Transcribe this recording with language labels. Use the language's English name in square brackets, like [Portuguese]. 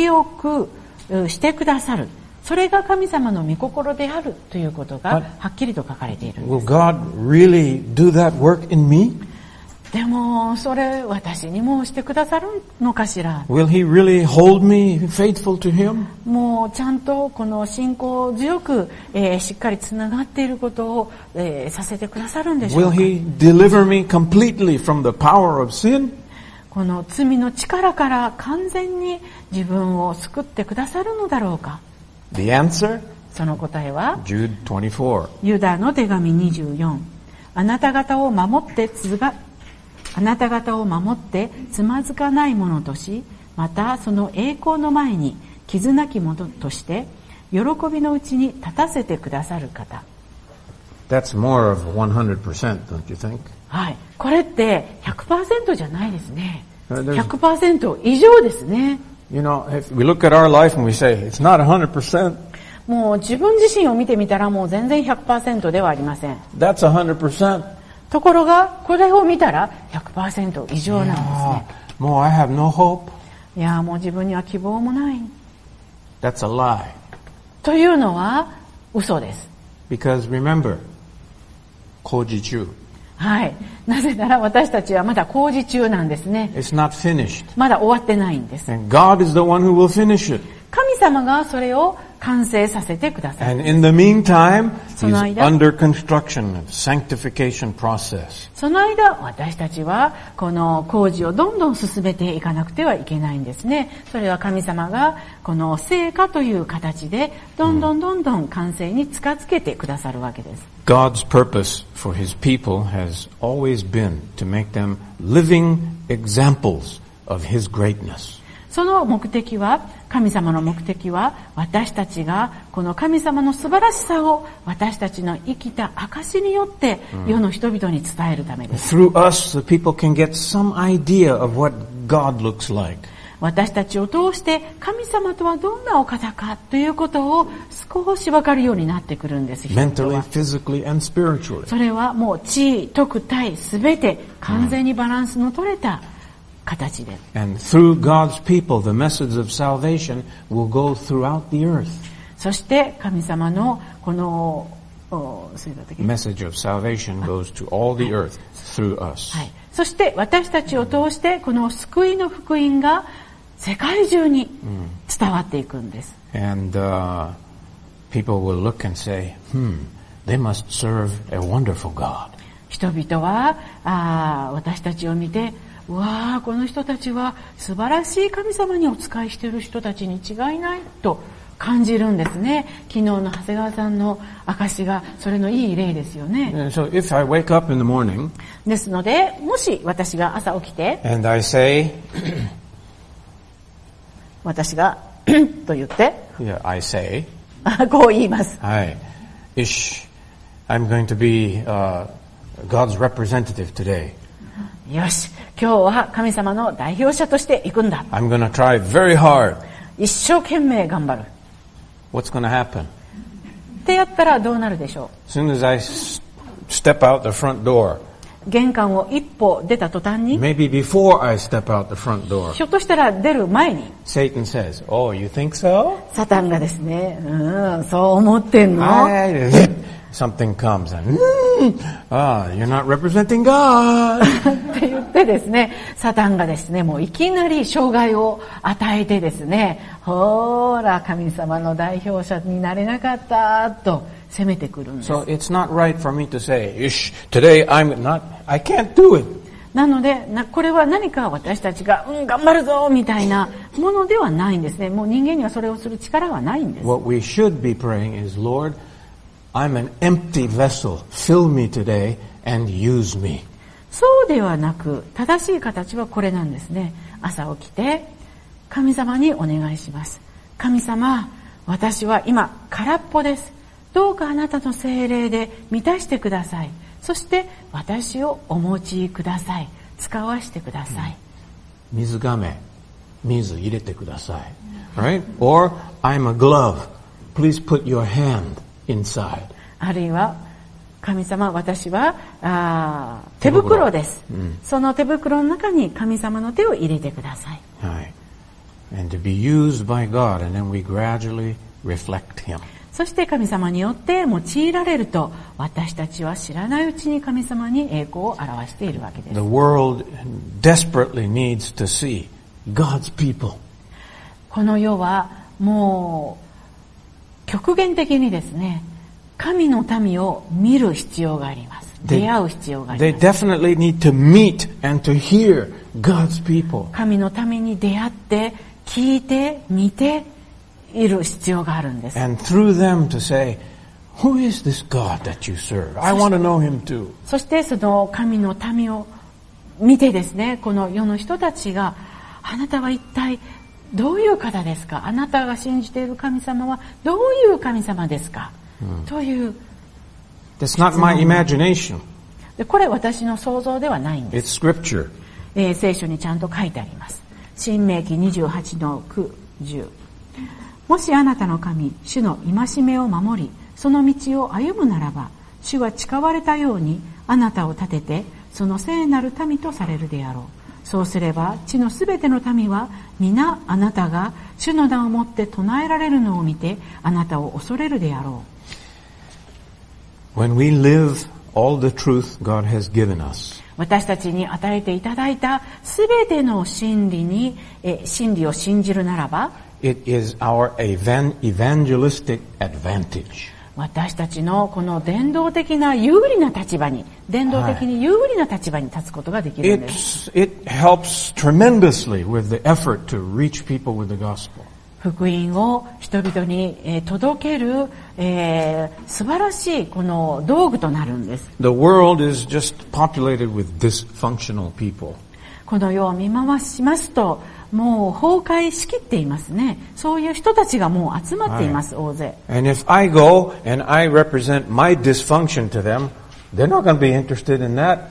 [Japanese] 清くしてくださる、それが神様の御心であるということがはっきりと書かれているんです。 [English] Will God really do that work in me? [Japanese] でもそれ私にもしてくださるのかしら。 [English] Will he really hold me faithful to him? [Japanese] もうちゃんとこの信仰強く、しっかりつながっていることを、させてくださるんでしょうか。 [English] Will he deliver me completely from the power of sin? [Japanese] この罪の力から完全に自分を救ってくださるのだろうか。 [English] The answer? [Japanese] その答えは [English] Jude 24. [Japanese] ユダの手紙24。あなた方を守ってあなた方を守ってつまずかないものとし、またその栄光の前に傷なきものとして喜びのうちに立たせてくださる方。 [English] That's more of 100%, don't you think? [Japanese] はい、これって 100% じゃないですね。 100% 以上ですね。 [English] You know, if we look at our life and we say it's not 100%, [Japanese] もう自分自身を見てみたらもう全然 100% ではありません。 [English] That's 100%。 [Japanese] ところがこれを見たら 100% 以上なんですね。 [English] Yeah, もう I have no hope. [Japanese] いや、もう自分には希望もない。 [English] That's a lie. [Japanese] というのは嘘です。 [English] Because remember, [Japanese] 工事中。はい、なぜなら私たちはまだ工事中なんですね。 [English] It's not finished. [Japanese] まだ終わってないんです。 [English] And God is the one who will finish it. [Japanese] 神様がそれを完成させてください。 [English] And in the meantime, he's under construction, sanctification process. [Japanese] その間私たちはこの工事をどんどん進めていかなくてはいけないんですね。それは神様がこの成果という形でどんどんどんどん完成に近づけてくださるわけです。 [English] God's purpose for his people has always been to make them living examples of his greatness. [Japanese] その目的は、神様の目的は、私たちがこの神様の素晴らしさを私たちの生きた証によって世の人々に伝えるためです。 [English] Through us, the people can get some idea of what God looks like. [Japanese] 私たちを通して神様とはどんなお方かということを少し分かるようになってくるんです。 [English] Mentally, physically, and spiritually. [Japanese] それはもう地位、徳、体、すべて完全にバランスの取れた形で、 [English] And through God's people, the message of salvation will go throughout the earth. [Japanese] そして神様のこの [English] message of salvation goes to all the earth through us. [Japanese] はい。そして私たちを通してこの救いの福音が世界中に伝わっていくんです。 [English] And people will look and say, they must serve a wonderful God. [Japanese] 人々は私たちを見て、わあ、この人たちは素晴らしい神様にお仕えしている人たちに違いないと感じるんですね。昨日の長谷川さんの証がそれのいい例ですよね。 [English] So if I wake up in the morning, [Japanese] ですので、もし私が朝起きて、 [English] and I say, [Japanese] 私がと言って、 [English] yeah, I say, [Japanese] こう言います。 [English] はい、Ish, I'm going to be God's representative today. [Japanese] よし、今日は神様の代表者として行くんだ。 [English] I'm going to try very hard. [Japanese] 一生懸命頑張る。 [English] What's going to happen? [Japanese] ってやったらどうなるでしょう。 [English] As soon as I step out the front door, [Japanese] 玄関を一歩出た途端に、 [English] Maybe before I step out the front door, [Japanese] ひょっとしたら出る前に、 [English] Satan says, oh, you think so? [Japanese] サタンがですね、そう思ってんの。 [English] Something comes and, you're not representing God. [Japanese] って言ってですね、サタンがですね、もういきなり障害を与えてですね、ほら、神様の代表者になれなかったと責めてくるんです。 [English] So it's not right for me to say, ish, today I'm not, I can't do it. [Japanese] なので、これは何か私たちが、頑張るぞみたいなものではないんですね。もう人間にはそれをする力はないんです。 [English] What we should be praying is, Lord, I'm an empty vessel. Fill me today and use me. [Japanese] そうではなく、正しい形はこれなんですね。朝起きて神様にお願いします。神様、私は今空っぽです。どうかあなたの聖霊で満たしてください。そして私をお持ちください。使わせてください。水がめ、水入れてください、right? Or I'm a glove, please put your hand inside. あるいは神様、私は手袋です、うん、その手袋の中に神様の手を入れてください、 [English] はい、And to be used by God, and then we gradually reflect him. [Japanese] そして神様によって用いられると、私たちは知らないうちに神様に栄光を表しているわけです。 [English] The world desperately needs to see God's people. [Japanese] この世はもう極限的にですね、神の民を見る必要があります。出会う必要があります。 [English] They definitely need to meet and to hear God's people. [Japanese] 神の民に出会って聞いて見ている必要があるんです。 [English] And through them to say, who is this God that you serve? I want to know him too. [Japanese] そしてその神の民を見てですね、この世の人たちが、あなたは一体どういう方ですか？あなたが信じている神様はどういう神様ですか？という。 [English] That's not my imagination. [Japanese] これ私の想像ではないんです。 [English] It's scripture. [Japanese] 聖書にちゃんと書いてあります。申命記28-9-10。もしあなたの神、主の戒めを守り、その道を歩むならば、主は誓われたようにあなたを立てて、その聖なる民とされるであろう。そうすれば、地のすべての民は、皆あなたが主の名をもって唱えられるのを見て、あなたを恐れるであろう。 [English] When we live all the truth God has given us, [Japanese] 私たちに与えていただいたすべての真理に、真理を信じるならば、 [English] it is our evangelistic advantage. [Japanese] 私たちのこの伝道的な有利な立場に、伝道的に有利な立場に立つことができるんです。 [English] It helps tremendously with the effort to reach people with the gospel. [Japanese] 福音を人々に届ける、素晴らしいこの道具となるんです。 [English] The world is just populated with dysfunctional people. [Japanese] この世を見回しますと、もう崩壊しきっていますね。そういう人たちがもう集まっています、はい、大勢。 [English] And if I go and I represent my dysfunction to them, they're not going to be interested in that.